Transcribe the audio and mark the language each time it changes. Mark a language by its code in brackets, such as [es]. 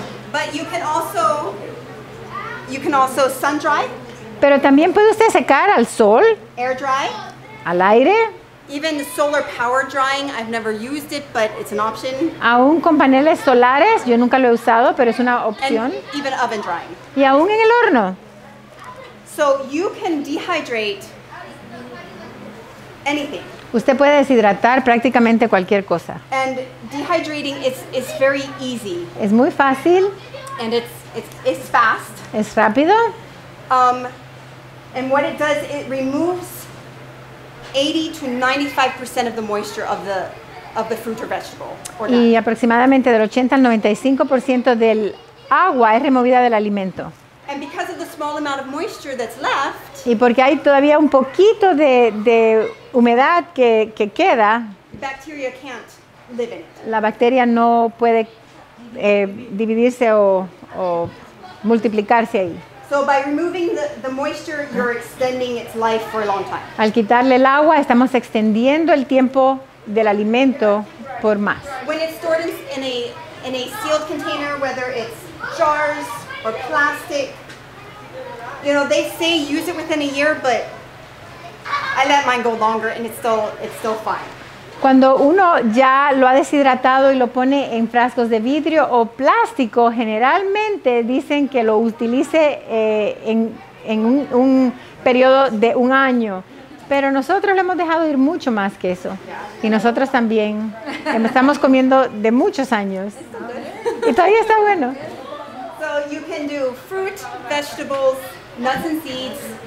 [en] But you can also sun dry. [es] Pero también puede usted secar al sol. [en] Air dry. [es] Al aire. [en] Even solar power drying, I've never used it, but it's an option. [es] Aún con paneles solares, yo nunca lo he usado, pero es una opción. [en] And even oven drying. [es] Y aún en el horno. [en] So you can dehydrate anything. [es] Usted puede deshidratar prácticamente cualquier cosa. [en] And dehydrating is very easy. [es] Es muy fácil. [en] And it's fast. [es] Es rápido. [en] And what it does, it removes 80 to 95% of the moisture of the fruit or vegetable. Or [es] y aproximadamente del 80 al 95% del agua es removida del alimento. [en] And because of the small amount of moisture that's left. [es] Y porque hay todavía un poquito de humedad que queda. [en] Bacteria can't live in it. [es] La bacteria no puede dividirse o multiplicarse ahí. [en] So by removing the moisture, you're extending its life for a long time. [es] Al quitarle el agua, estamos extendiendo el tiempo del alimento por más. [en] When it's stored in a sealed container, whether it's jars or plastic, you know, they say use it within a year, but I let mine go longer and it's still fine. [es] Cuando uno ya lo ha deshidratado y lo pone en frascos de vidrio o plástico, generalmente dicen que lo utilice en un periodo de un año. Pero nosotros lo hemos dejado ir mucho más que eso. Y nosotros también estamos comiendo de muchos años. Y todavía está bueno. [en] So you can do fruit, vegetables, nuts and seeds.